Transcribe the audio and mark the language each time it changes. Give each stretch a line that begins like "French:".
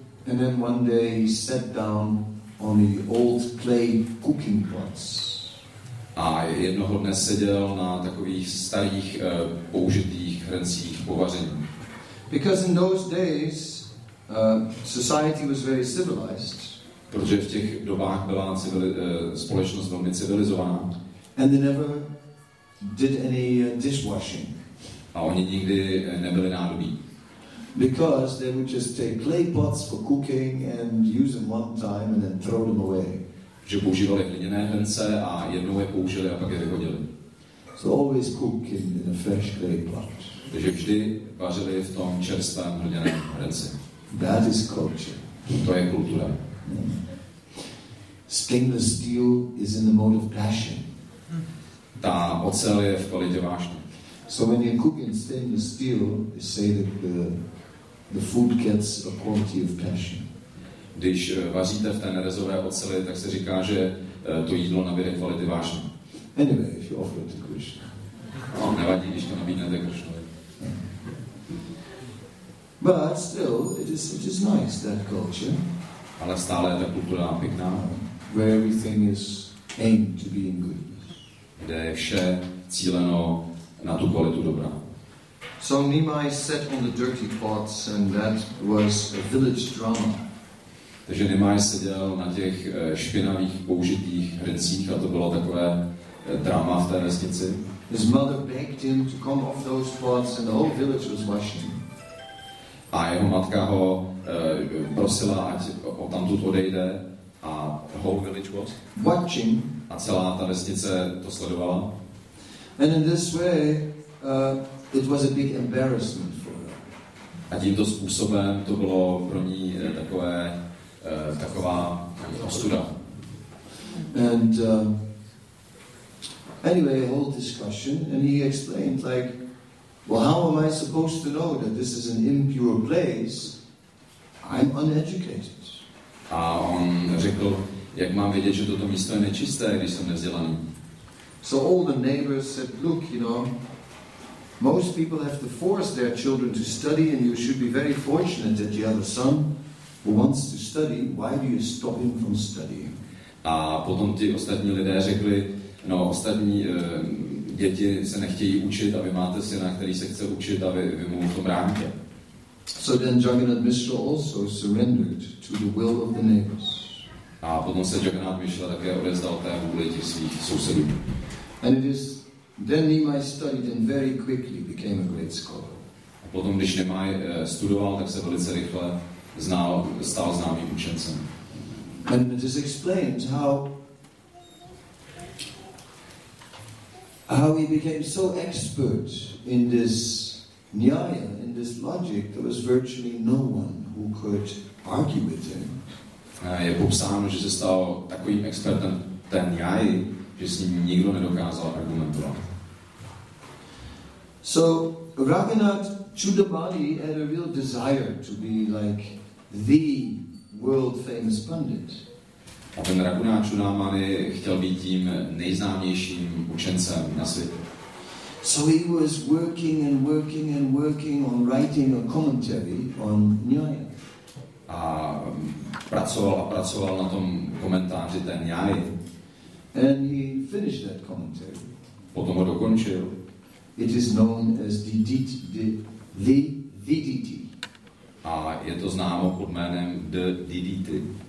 English: And then one day he sat down on the old clay cooking pots.
Czech: A jednoho dne seděl na takových starých použitých hrncích po vaření.
English: Because in those days society was very civilized.
Czech: Protože v těch dobách byla společnost velmi civilizovaná.
English: And they never did any dishwashing.
Czech: A oni nikdy nebyli nádobí.
English: Because they would just take clay pots for cooking and use them one time and then throw them away.
Czech: Že používali hliněné hrnce a jednou je použili a pak je vyhodili.
English: So always cook in a fresh clay pot.
Czech: Takže vždy vařili v tom čerstvém hliněném hrnce.
English: That is culture.
Czech: To je kultura.
English: Stainless steel is in the mode of passion.
Czech: Ta ocel je v kvalitě vášně.
English: So when you cook in stainless steel, they say that the food gets a quality of passion.
Czech: Když vaříte v té nerezové oceli, tak se říká, že to jídlo nabíde kvality vášně.
English: Anyway, if you offer it to Krishna.
Czech: No, nevadí, když to nabídnete Krishna.
English: But still, it is nice, that culture.
Czech: Ale stále je ta kultura pěkná.
English: Where everything is aimed to be in goodness.
Czech: Kde je vše cíleno na tu kvalitu dobrá.
English: So Nimai sat on the dirty pots, and that was a village drama.
Czech: Takže Nimai seděl na těch špinavých použitých hrncích a to bylo takové drama v té vesnici.
English: His mother begged him to come off those pots, and the whole village was washing.
Czech: A jeho matka ho prosila, ať odtamtud odejde, a
English: the whole village was watching.
Czech: A celá ta vesnice to sledovala.
English: And in this way, it was a big embarrassment for her.
Czech: A tímto způsobem to bylo pro ní takové taková ostuda.
English: And anyway, a whole discussion, and he explained like Well, how am I supposed to know that this is an impure place? I'm uneducated.
Czech: A on řekl, jak mám vědět, že toto místo je nečisté, když jsem nevzdělaný?
English: So all the neighbors said, look, you know, most people have to force their children to study, and you should be very fortunate that you have a son who wants to study. Why do you stop him from studying?
Czech: A potom ti ostatní lidé řekli, no, ostatní děti se nechtějí učit, a vy máte syna, který se chce učit, a vy mu to bráníte.
English: So then Jagannath Mishra also surrendered to the will of the neighbors.
Czech: A potom se Jagannath Mishra také odevzdal té vůli těch svých sousedů.
English: And it is then Nimai studied and very quickly became a great scholar.
Czech: A potom, když Nimai studoval, tak se velice rychle stal známým učencem.
English: And it is explained how he became so expert in this nyaya, in this logic, there was virtually no one who could argue with him.
Czech: Je popsáno, že se stal takovým expertem ten nyaya, že s ním nikdo nedokázal argumentovat.
English: So Raghunath Chudabali had a real desire to be like the world famous pundit.
Czech: A ten Raghunath Chudabali chtěl být tím nejznámějším učencem na světě.
English: So he was working and working and working on writing a commentary on Nyaya.
Czech: A pracoval a pracoval na tom komentáři té Nyaya.
English: And he finished that commentary.
Czech: Potom ho dokončil.
English: It is known as the Diditi.
Czech: A je to známo pod jménem the Diditi.